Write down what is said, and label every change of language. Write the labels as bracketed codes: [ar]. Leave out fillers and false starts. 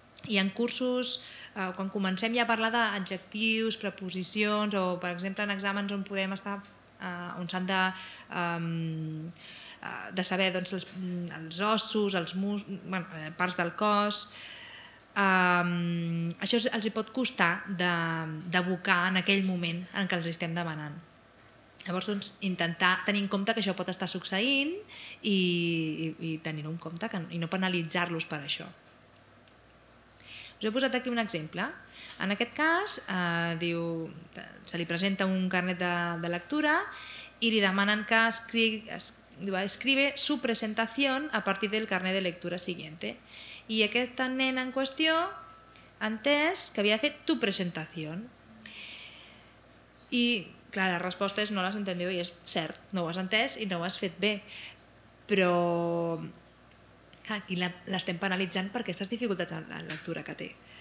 [ca] I en cursos, quan comencem ja a parlar d'adjectius, preposicions, o per exemple en exàmens on podem estar, on s'han de saber doncs, els ossos, els bueno, parts del cos, això els pot costar d'abocar en aquell moment en què els estem demanant. Llavors, doncs, intentar tenir en compte que això pot estar succeint i tenir-ho en compte i no penalitzar-los per això. Us he posat aquí un exemple. En aquest cas, diu, se li presenta un carnet de lectura i li demanen que [es] escribe su presentación a partir del carnet de lectura siguiente. [ca] I aquesta nena en qüestió ha entès que havia fet [es] tu presentación. [ca] I, clar, la resposta és no l'has entendido i és cert, no ho has entès i no ho has fet bé. Però, clar, aquí l'estem penalitzant per aquestes dificultats en la lectura que té.